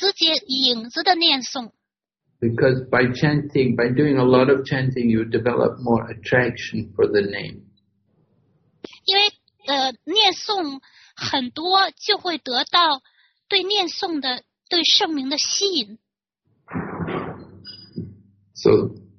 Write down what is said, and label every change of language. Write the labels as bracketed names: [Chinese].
[Chinese] 但是呢，持续不断的冒犯的念诵会使人呢，导向一个中间阶段，也就是影子的念诵。Because [English] by chanting, by doing a lot of chanting, you develop more attraction for the name. [Chinese] 因为念诵很多，就会得到对念诵的、对圣名的吸引。So